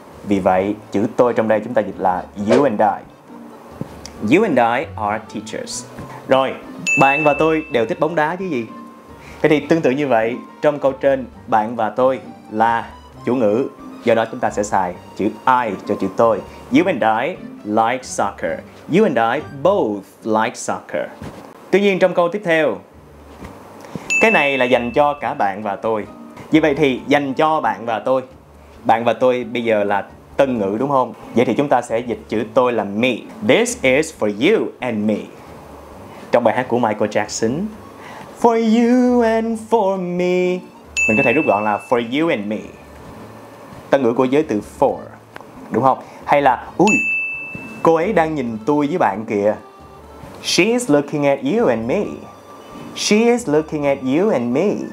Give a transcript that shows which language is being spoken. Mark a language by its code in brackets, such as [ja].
[vi] Vì vậy, chữ tôi trong đây chúng ta dịch là [en] you and I. You and I are teachers. [vi] Rồi, bạn và tôi đều thích bóng đá chứ gì? Thế thì tương tự như vậy, trong câu trên bạn và tôi là chủ ngữ. Do đó chúng ta sẽ xài chữ I cho chữ tôi. [en] You and I like soccer. You and I both like soccer. [vi] Tuy nhiên trong câu tiếp theo, cái này là dành cho cả bạn và tôi. Vì vậy thì dành cho bạn và tôi. Bạn và tôi bây giờ là tân ngữ đúng không? Vậy thì chúng ta sẽ dịch chữ tôi là me. [en] This is for you and me. [vi] Trong bài hát của Michael Jackson, [en] For you and for me. [vi] Mình có thể rút gọn là [en] for you and me. [vi] Tân ngữ của giới từ for, đúng không? Hay là ui, cô ấy đang nhìn tôi với bạn kìa. [en] She is looking at you and me. She is looking at you and me.